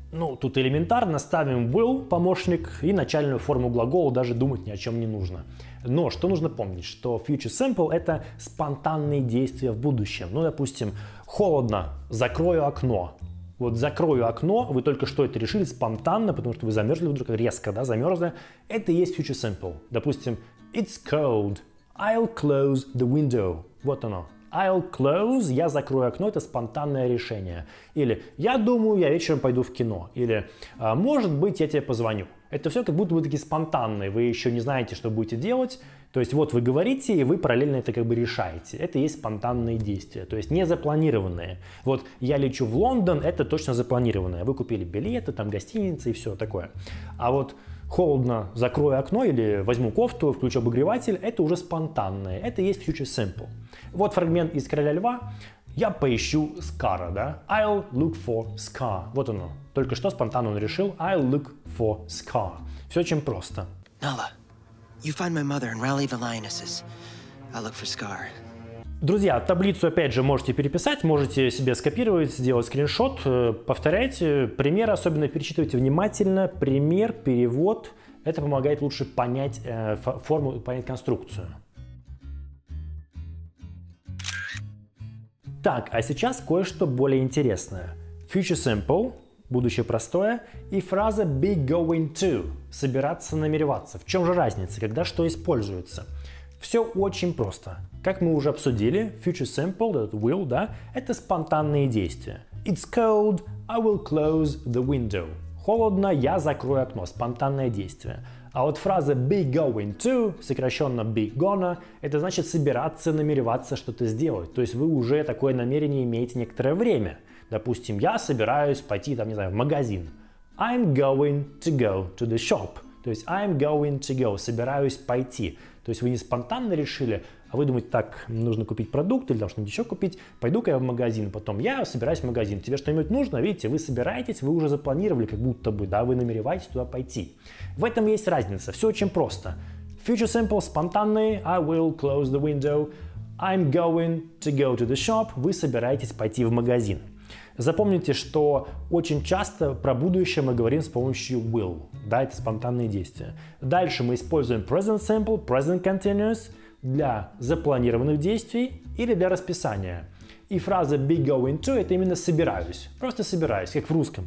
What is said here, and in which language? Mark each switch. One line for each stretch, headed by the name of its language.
Russian: Ну, тут элементарно, ставим will, помощник, и начальную форму глагола, даже думать ни о чем не нужно. Но что нужно помнить, что future simple – это спонтанные действия в будущем. Ну, допустим, холодно, закрою окно. Вот закрою окно, вы только что это решили спонтанно, потому что вы замерзли вдруг резко, да, замерзли. Это и есть future simple. Допустим,
English: it's cold, I'll close the window.
Russian: Вот оно.
English: I'll close,
Russian: я закрою окно, это спонтанное решение. Или я думаю, я вечером пойду в кино. Или может быть, я тебе позвоню. Это все как будто бы такие спонтанные, вы еще не знаете, что будете делать. То есть вот вы говорите, и вы параллельно это как бы решаете. Это и есть спонтанные действия, то есть не запланированные. Вот я лечу в Лондон, это точно запланированное. Вы купили билеты, там гостиницы и все такое. А вот холодно, закрою окно или возьму кофту, включу обогреватель, это уже спонтанное. Это и есть future simple. Вот фрагмент из «Короля льва». Я поищу Скара, да?
English: I'll look for Scar.
Russian: Вот оно. Только что спонтанно он решил.
English: I'll look for Scar.
Russian: Все очень просто.
English: Nala, you find my mother and rally the lionesses. I'll look for Scar.
Russian: Друзья, таблицу опять же можете переписать, можете себе скопировать, сделать скриншот, повторяйте. Пример особенно перечитывайте внимательно. Пример, перевод. Это помогает лучше понять форму, понять конструкцию. Так, а сейчас кое-что более интересное. Future simple, будущее простое, и фраза be going to, собираться, намереваться. В чем же разница, когда что используется? Все очень просто. Как мы уже обсудили, future simple,
English: that will,
Russian: да, это спонтанные действия.
English: It's cold, I will close the window.
Russian: Холодно, я закрою окно, спонтанное действие. А вот фраза be going to, сокращенно be gonna, это значит собираться, намереваться что-то сделать. То есть вы уже такое намерение имеете некоторое время. Допустим, я собираюсь пойти, там, не знаю, в магазин.
English: I'm going to go to the shop.
Russian: То есть
English: I'm going to go,
Russian: собираюсь пойти. То есть вы не спонтанно решили, а вы думаете, так, нужно купить продукт или там что-нибудь еще купить, пойду-ка я в магазин, потом я собираюсь в магазин, тебе что-нибудь нужно, видите, вы собираетесь, вы уже запланировали, как будто бы, да, вы намереваетесь туда пойти. В этом есть разница, все очень просто.
English: Future simple,
Russian: спонтанный,
English: I will close the window, I'm going to go to the shop,
Russian: вы собираетесь пойти в магазин. Запомните, что очень часто про будущее мы говорим с помощью will, да, это спонтанные действия. Дальше мы используем present simple, present continuous для запланированных действий или для расписания. И фраза be going to — это именно собираюсь, просто собираюсь, как в русском.